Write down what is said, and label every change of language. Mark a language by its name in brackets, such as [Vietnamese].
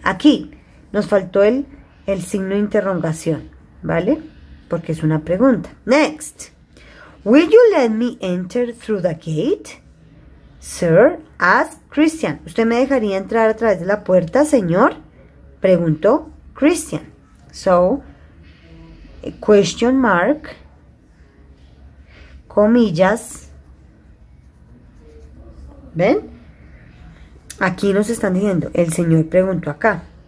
[Spanish] Aquí nos faltó el signo de interrogación, ¿vale? Porque es una pregunta. [English] Next. Will you let me enter through the gate? Sir, asked Christian. [Spanish] ¿Usted me dejaría entrar a través de la puerta, señor? Preguntó Christian. [English] So, question mark, comillas. [Spanish] ¿Ven? Aquí nos están diciendo, el señor preguntó acá.